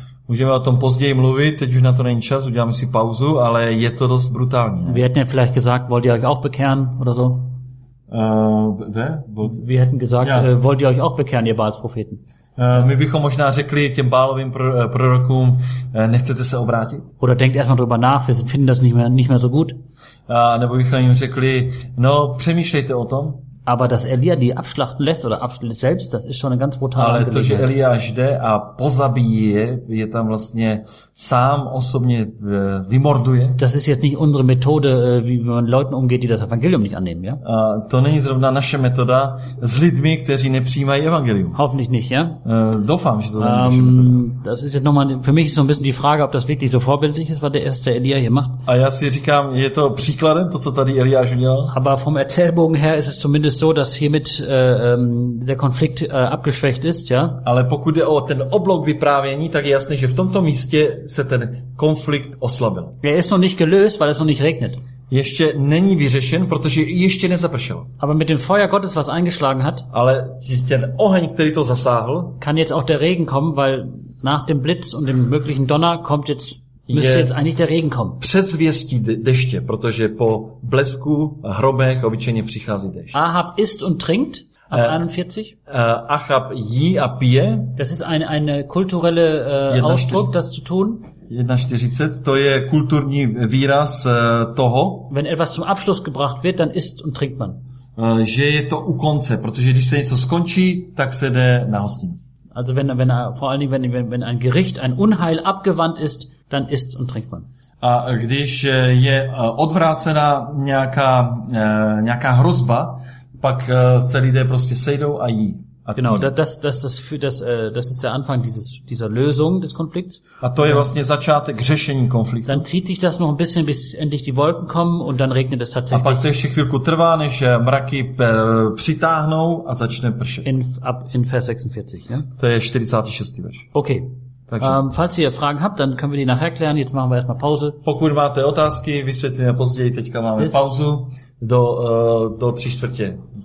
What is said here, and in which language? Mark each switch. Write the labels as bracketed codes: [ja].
[cs] Můžeme o tom později mluvit, teď už na to není čas, uděláme si pauzu, ale je to dost brutální. Ne? [de] Wir hätten ja vielleicht gesagt, wollt ihr euch auch bekehren oder so? Wir hätten gesagt, ja. Wollt ihr euch auch bekehren, ihr Baalspropheten? [cs] My bychom možná řekli těm Baalovým prorokům, nechcete se obrátit? [de] Oder denkt erstmal drüber nach, wir finden das nicht mehr so gut. [cs] Nebo bychom jim řekli, no, přemýšlejte o tom. [de] Aber dass Elia die abschlachten lässt oder abschlachtet selbst, das ist schon eine ganz brutale Angelegenheit. [cs] Ale to, že Eliáš jde a pozabíje, je tam vlastně sám osobně vymorduje. [de] Das ist jetzt nicht unsere Methode, wie man Leuten umgeht, die das Evangelium nicht annehmen, ja? [cs] To není zrovna naše metoda s lidmi, kteří nepřijímají Evangelium. [de] Hoffentlich nicht, ja? [cs] Doufám, že to není naše metoda. [de] Das ist jetzt nochmal, für mich ist so ein bisschen die Frage, ob das wirklich so vorbildlich ist, was der erste Elia hier macht. [cs] A já si říkám, je to příkladem, to, co tady Eliáš udělal? [de] Aber vom Erzählbogen her ist es zumindest ist so, dass hiermit der Konflikt abgeschwächt ist, ja? [cs] Ale pokud je o ten oblouk vyprávění, tak je jasné, že v tomto místě se ten konflikt oslabil. [de] Er ist noch nicht gelöst, weil es noch nicht regnet. [cs] Ještě není vyřešen, protože ještě nezapršelo. [de] Aber mit dem Feuer Gottes, was eingeschlagen hat, [cs] ale ten oheň, který to zasáhl, [de] kann jetzt auch der Regen kommen, weil nach dem Blitz und dem möglichen Donner kommt jetzt müsste jetzt eigentlich der Regen kommen. [cs] Předzvěstí deště, protože po blesku hromech obyčejně přichází dešť. [de] Ahab isst und trinkt ab 41. [cs] Ahab jí a pije. [de] Das ist eine kulturelle Ausdruck, das zu tun. [cs] 41, to je kulturní výraz toho. [de] Wenn etwas zum Abschluss gebracht wird, dann isst und trinkt man. [cs] Že je to u konce, protože když se něco skončí, tak se jde na hostinu. [de] Also wenn vor allen Dingen wenn ein Gericht ein Unheil abgewandt ist, dann isst und trinkt man. [cs] A když je odvrácena nějaká hrozba, pak se lidé prostě sejdou a jí. A [de] genau, das ist der Anfang dieser Lösung des Konflikts. [cs] A to je vlastně začátek řešení konfliktu. [de] Dann zieht sich das noch ein bisschen, bis endlich die Wolken kommen und dann regnet es tatsächlich. [cs] A pak to ještě chvilku trvá, než mraky přitáhnou a začne pršet. [de] In Vers 46, ja? [cs] To je 46. verš. Okay. [de] Falls ihr Fragen habt, dann können wir die nachher klären. Jetzt machen wir erstmal Pause. [cs] Pokud máte otázky, vysvětlíme později. Teďka máme pauzu do 3/4.